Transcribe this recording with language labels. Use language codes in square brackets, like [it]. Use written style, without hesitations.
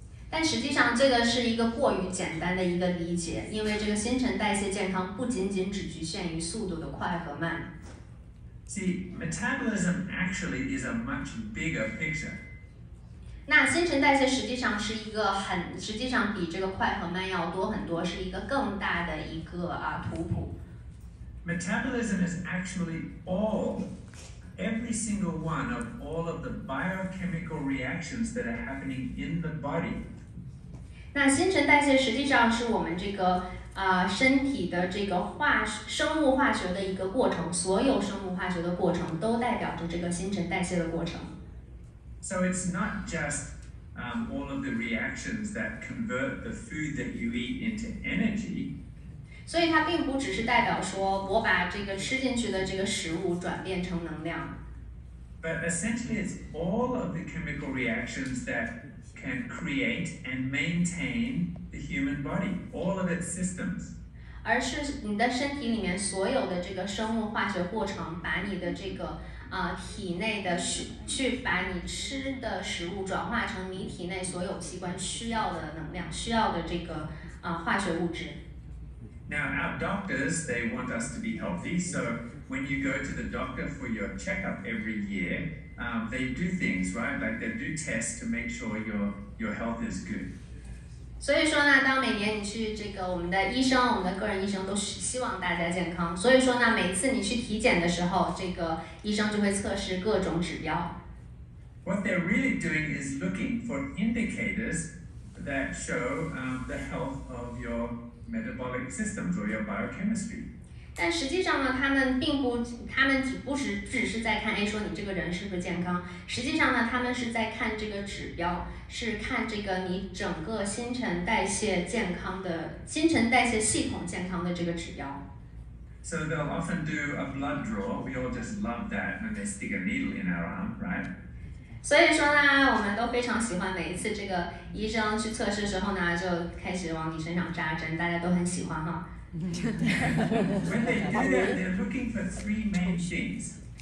[zh] 但实际上这个是一个过于简单的一个理解，因为这个新陈代谢健康不仅仅只局限于速度的快和慢。 [en] See, metabolism actually is a much bigger picture. [zh] 那新陈代谢实际上是一个很，实际上比这个快和慢要多很多，是一个更大的一个图谱。 [en] Metabolism is actually all, every single one of all of the biochemical reactions that are happening in the body. [zh] 那新陈代谢实际上是我们这个身体的这个化生物化学的一个过程，所有生物化学的过程都代表着这个新陈代谢的过程。 [en] So it's not just all of the reactions that convert the food that you eat into energy. [zh] 所以它并不只是代表说我把这个吃进去的这个食物转变成能量。 [en] But essentially, it's all of the chemical reactions that. Can create and maintain the human body, all of its systems. [zh] 而是你的身体里面所有的这个生物化学过程，把你的这个体内的去把你吃的食物转化成你体内所有器官需要的能量，需要的这个化学物质。 [en] Now our doctors, they want us to be healthy. So when you go to the doctor for your checkup every year. They do things, right? Like they do tests to make sure your health is good. [zh] 所以说呢，当每年你去这个我们的医生，我们的个人医生都希望大家健康。所以说呢，每次你去体检的时候，这个医生就会测试各种指标。 [en] What they're really doing is looking for indicators that show the health of your metabolic systems or your biochemistry. [zh] 但实际上呢，他们只是在看，哎，说你这个人是不是健康？实际上呢，他们是在看这个指标，是看这个你整个新陈代谢健康的新陈代谢系统健康的这个指标。 [en] So they'll often do a blood draw. We all just love that when they stick a needle in our arm, right? [zh] 所以说呢，我们都非常喜欢每一次这个医生去测试之后呢，就开始往你身上扎针，大家都很喜欢哈。 [en] When they do that, they're looking for three main things.